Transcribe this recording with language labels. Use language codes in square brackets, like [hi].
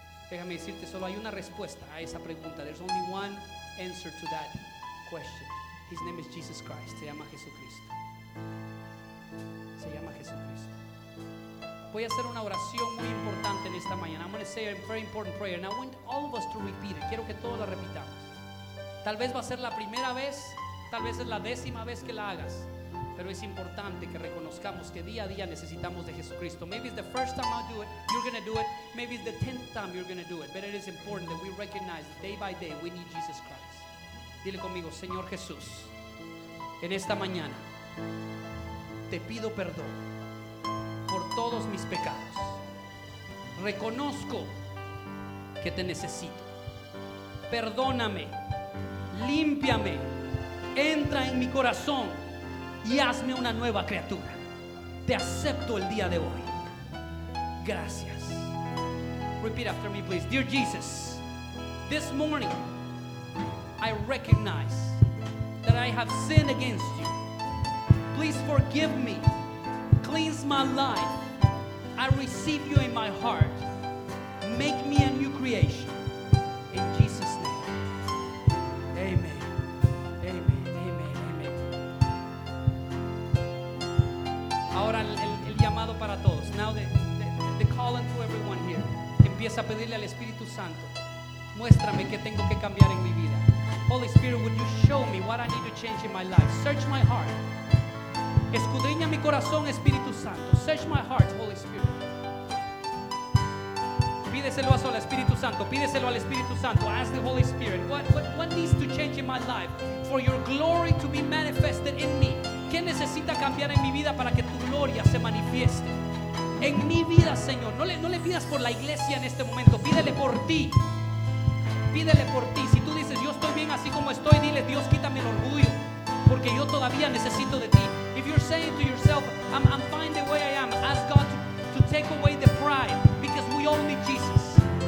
[es] Déjame decirte, solo hay una respuesta a esa pregunta. [en] There's only one answer to that question. His name is Jesus Christ. [es] Se llama Jesucristo. Se llama Jesucristo. Voy a hacer una oración muy importante en esta mañana. [en] I'm going to say a very important prayer, and I want all of us to repeat it. [es] Quiero que todos la repitamos. Tal vez va a ser la primera vez, tal vez es la décima vez que la hagas, pero es importante que reconozcamos que día a día necesitamos de Jesucristo. [en] Maybe it's the first time I do it, you're going to do it. Maybe it's the tenth time you're going to do it, but it is important that we recognize that day by day we need Jesus Christ. [es] Dile conmigo, Señor Jesús, en esta mañana te pido perdón por todos mis pecados. Reconozco que te necesito. Perdóname, límpiame, entra en mi corazón y hazme una nueva criatura. Te acepto el día de hoy. Gracias. [en] Repeat after me, please. Dear Jesus, this morning I recognize that I have sinned against you. Please forgive me. Cleanse my life. I receive you in my heart. Make me a new creation. In Jesus' name. Amen. Amen. Amen. Amen. [es] Ahora el llamado para todos. [en] Now the call unto everyone here. [es] Empieza a pedirle al Espíritu Santo. Muéstrame qué tengo que cambiar en mi vida. [en] Holy Spirit, would you show me what I need to change in my life? Search my heart. [es] Escudriña mi corazón, Espíritu Santo. [en] Search my heart, Holy Spirit. [es] Pídeselo al Espíritu Santo. Pídeselo al Espíritu Santo. [en] Ask the Holy Spirit, what needs to change in my life for your glory to be manifested in me? [es] ¿Qué necesita cambiar en mi vida para que tu gloria se manifieste en mi vida, Señor? No le pidas por la iglesia en este momento. Pídele por ti. Pídele por ti. Si tú dices, yo estoy bien así como estoy, dile, Dios, quítame el orgullo, porque yo todavía necesito de ti. [en] If you're saying to yourself, I'm fine the way I am, ask God to take away the pride, because we only Jesus.